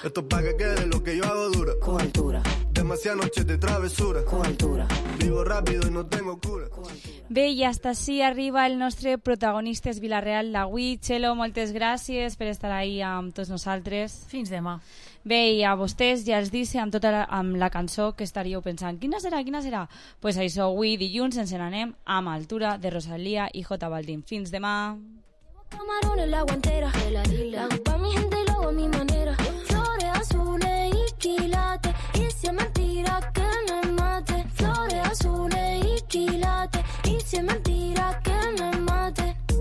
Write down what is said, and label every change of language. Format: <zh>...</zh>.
<es>Esto es pa' que quede lo que yo hago dura. Con altura. Demasiadas noches de travesura. Con altura. Vivo rápido y no tengo cura.</es> <ca>Bé, i hasta así arriba el nostre protagonista és Vila-real d'avui. Txelo, moltes gràcies per estar ahí amb tots nosaltres. Fins demà. Bé, i a vostès ja els dic amb tota amb la cançó que estaríeu pensant. Quina serà, quina serà? Pues això, avui dilluns ens n'anem amb Altura de Rosalía i J Balvin. Fins demà.</ca> <es>Camarón en la guantera, de la isla. Pa mi gente y luego a mi manera. Flores azules y quilate. Y si es mentira que me mate. Flores azules y quilate. Y si es mentira que me mate.</es>